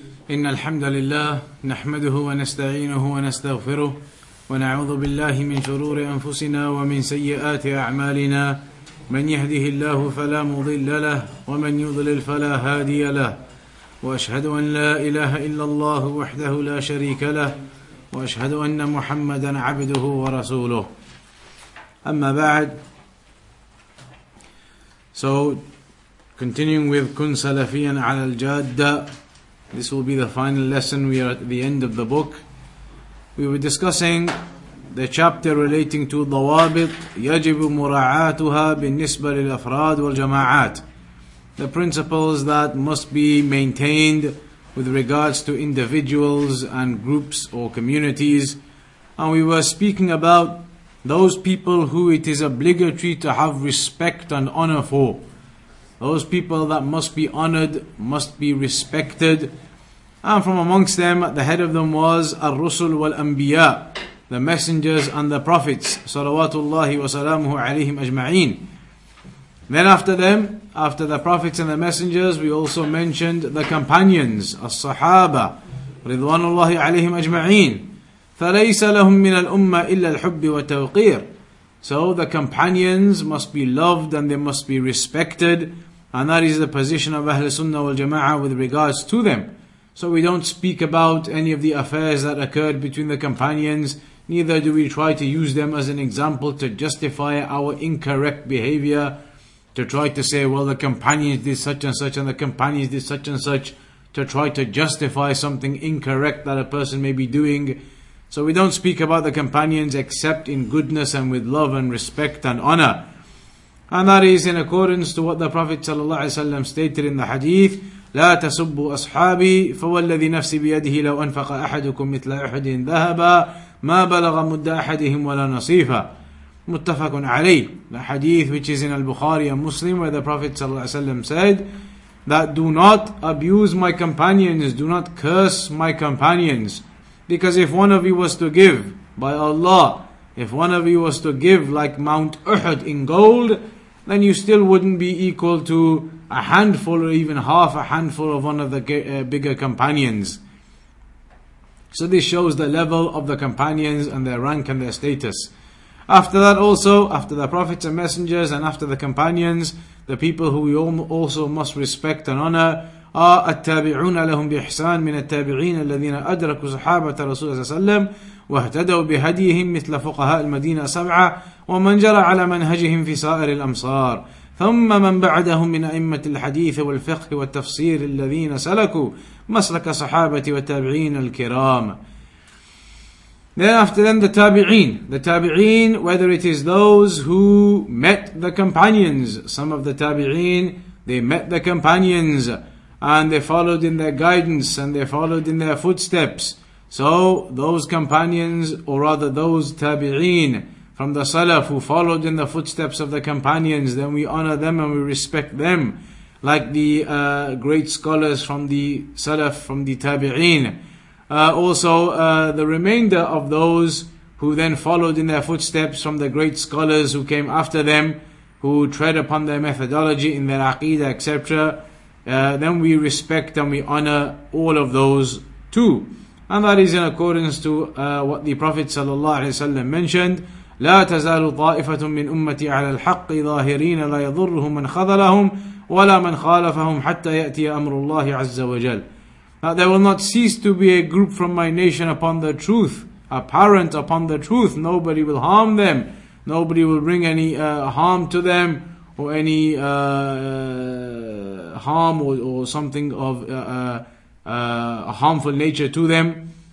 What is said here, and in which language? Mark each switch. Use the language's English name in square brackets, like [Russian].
[Arabic] إن الحمد لله نحمده ونستعينه ونستغفره ونعوذ بالله من شرور أنفسنا ومن سيئات أعمالنا من يهده الله فلا مضل له ومن يضلل فلا هادي له وأشهد أن لا إله إلا الله وحده لا شريك له وأشهد أن محمدا عبده ورسوله أما بعد. [English] So continuing with كن سلفيا على الجادة. This will be the final lesson. We are at the end of the book. We were discussing the chapter relating to [Arabic] ضوابط يجب مراعاتها بالنسبة للأفراد والجماعات. [English] The principles that must be maintained with regards to individuals and groups or communities. And we were speaking about those people who it is obligatory to have respect and honor for. Those people that must be honored, must be respected. And from amongst them, at the head of them was [Arabic] الرسل والأنبياء, [English] the messengers and the prophets, [Arabic] صلوات الله وسلامه عليهم أجمعين. [English] Then after them, after the prophets and the messengers, we also mentioned the companions, الصحابة, [Arabic] رضوان الله عليهم أجمعين. فليس لهم من الأمة إلا الحب والتوقير. [English] So the companions must be loved and they must be respected. And that is the position of Ahl Sunnah wal Jama'ah with regards to them. So we don't speak about any of the affairs that occurred between the companions, neither do we try to use them as an example to justify our incorrect behavior, to try to say, well, the companions did such and such, and the companions did such and such, to try to justify something incorrect that a person may be doing. So we don't speak about the companions except in goodness and with love and respect and honor. And that is in accordance to what the Prophet ﷺ stated in the hadith, [Arabic] لا تسبوا أصحابي فوالذي نفسي بيده لو أنفق أحدكم مثل أحد ذهبا ما بلغ مد أحدهم ولا نصيفا. متفق عليه. [English] The hadith which is in Al-Bukhari and Muslim, where the Prophet ﷺ said that do not abuse my companions, do not curse my companions. Because if one of you was to give, by Allah, if one of you was to give like Mount Uhud in gold, then you still wouldn't be equal to a handful or even half a handful of one of the bigger companions. So this shows the level of the companions and their rank and their status. After that also, after the prophets and messengers and after the companions, the people who we also must respect and honor are [Arabic] التابعون لهم بإحسان من التابعين الذين أدركوا صحابة رسول صلى الله عليه وسلم واهتدوا بهديهم مثل فقهاء المدينة سبعة ومن جرى على منهجهم في سائر الأمصار ثم من بعدهم من أئمة الحديث والفقه والتفسير الذين سلكوا مسلك صحابة والتابعين الكرام. [English] Then after them the tabi'een, whether it is those who met the companions, some of the tabi'een, they met the companions and they followed in their guidance and they followed in their footsteps. So those companions, or rather those tabi'een from the Salaf who followed in the footsteps of the companions, then we honor them and we respect them, like the great scholars from the Salaf, from the tabi'een. The remainder of those who then followed in their footsteps from the great scholars who came after them, who tread upon their methodology in their aqidah, etc., then we respect and we honor all of those too. And that is in accordance to what the Prophet ﷺ mentioned, [Arabic] لا تزال طائفة من أمتي على الحق ظاهرين لا يضرهم من خذلهم ولا من خالفهم حتى يأتي أمر الله عز وجل. [English] That there will not cease to be a group from my nation upon the truth, apparent upon the truth. Nobody will harm them. Nobody will bring any harm to them or any harm or something of a harmful nature to them.